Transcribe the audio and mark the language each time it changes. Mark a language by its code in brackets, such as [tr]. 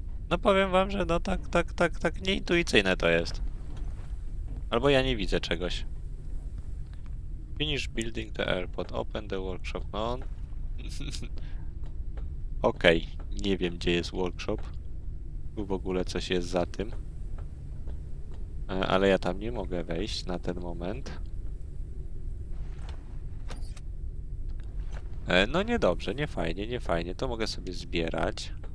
[pl] No powiem wam, że no tak nieintuicyjne to jest. Albo ja nie widzę czegoś. [en] Finish building the airport, open the workshop, no. [pl] Okej, nie wiem, gdzie jest workshop. Tu w ogóle coś jest za tym. Ale ja tam nie mogę wejść na ten moment. No niedobrze, niefajnie, niefajnie. To mogę sobie zbierać.